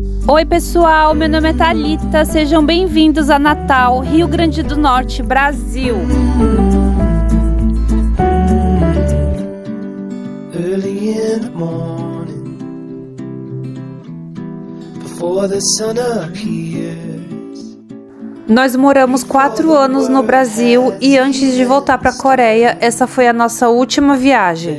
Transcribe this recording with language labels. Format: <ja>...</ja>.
<pt>Oi, pessoal, meu nome é Thalita. Sejam bem-vindos a Natal, Rio Grande do Norte, Brasil.</pt> <en>Early in the morning, before the sun appears.</en> <pt>Nós moramos 4 anos no Brasil e antes de voltar para a Coreia, essa foi a nossa última viagem.</pt>